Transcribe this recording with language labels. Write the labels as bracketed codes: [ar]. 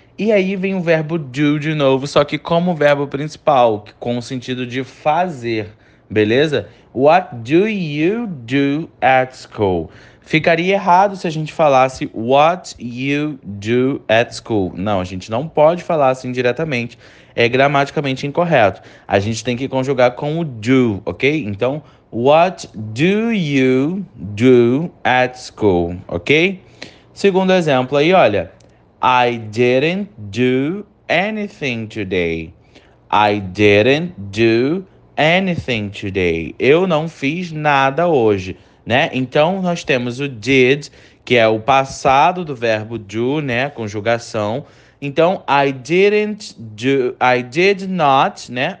[pt] E aí vem o verbo do de novo, só que como verbo principal, com o sentido de fazer, beleza? [en] What do you do at school? [pt] Ficaria errado se a gente falasse [en] what you do at school. [pt] Não, a gente não pode falar assim diretamente. É gramaticamente incorreto. A gente tem que conjugar com o do, ok? [en] Então, what do you do at school, ok? [pt] Segundo exemplo aí, olha. [en] I didn't do anything today. I didn't do anything today. [pt] Eu não fiz nada hoje, né? Então nós temos o did, que é o passado do verbo do, né? Conjugação. [en] Então I didn't do, I did not, né?